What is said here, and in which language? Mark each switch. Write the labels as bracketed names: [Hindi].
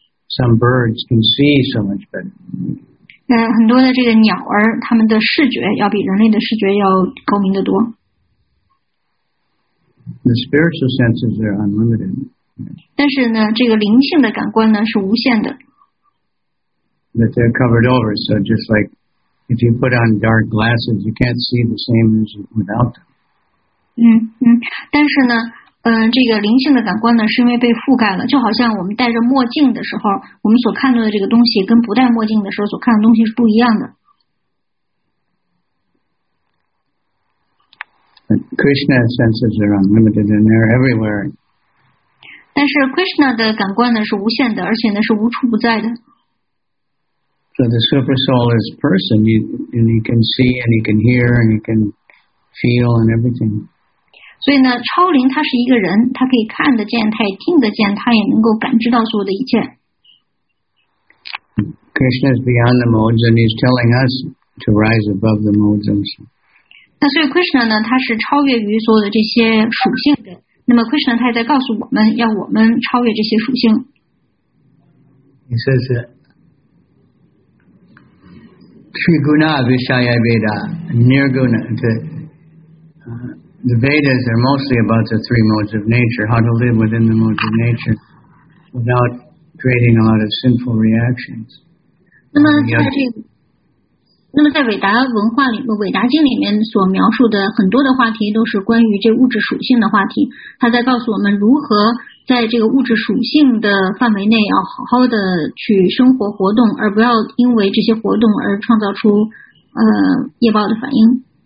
[English] Some birds can see so much better. [Chinese] 很多的这个鸟儿，它们的视觉要比人类的视觉要高明得多。 [English] The spiritual senses are unlimited. [Chinese] 但是呢这个灵性的感官呢是无限的 [English] But they're covered over so just like if you put on dark glasses you can't see the same as without them [Chinese] 但是呢这个灵性的感官呢是因为被覆盖了就好像我们戴着墨镜的时候我们所看到的这个东西跟不戴墨镜的时候所看的东西是不一样的 [English] Krishna senses are unlimited and they're everywhere [Chinese] 但是 Krishna 的感官呢是无限的，而且呢是无处不在的。 [English] So the super soul is person, you can see and you can hear and you can feel and everything. [Chinese] 所以呢，超灵它是一个人，它可以看得见，它也听得见，它也能够感知到所有的一切。 [English] Krishna is beyond the modes, and he's telling us to rise above the modes. [Chinese] 那所以 Krishna 呢，它是超越于所有的这些属性的。那么 Krishna 他也在告诉我们要我们超越这些属性 [English] He says [Sanskrit] Triguna Vishaya Veda Nirguna [English] the Vedas are mostly about the three modes of nature how to live within the modes of nature without creating a lot of sinful reactions [Chinese] 那么在伟达文化里面，伟达经里面所描述的很多的话题都是关于这物质属性的话题。他在告诉我们如何在这个物质属性的范围内要好好的去生活活动，而不要因为这些活动而创造出业报的反应。